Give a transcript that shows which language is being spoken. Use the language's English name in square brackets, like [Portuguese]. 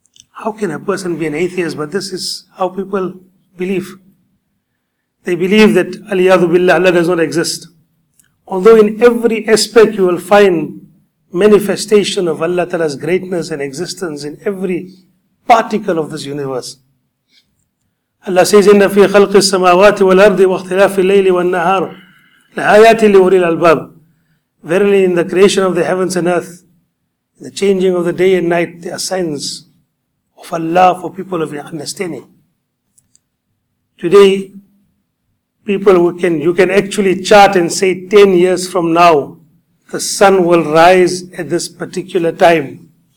[English] How can a person be an atheist? But this is how people believe. They believe that Aliyadu billah, Allah does not exist. Although in every aspect you will find manifestation of Allah Ta'ala's greatness and existence in every particle of this universe. Allah says, [Arabic] إِنَّ فِي خَلْقِ السَّمَاوَاتِ وَالْأَرْضِ وَاخْتِلَافِ اللَّيْلِ وَالنَّهَارِ لَآيَاتٍ لِأُولِي الْأَلْبَابِ. [English] Verily in the creation of the heavens and earth, the changing of the day and night, there are signs of Allah for people of understanding. Today, people who can, you can actually chart and say 10 years from now, the sun will rise at this particular time.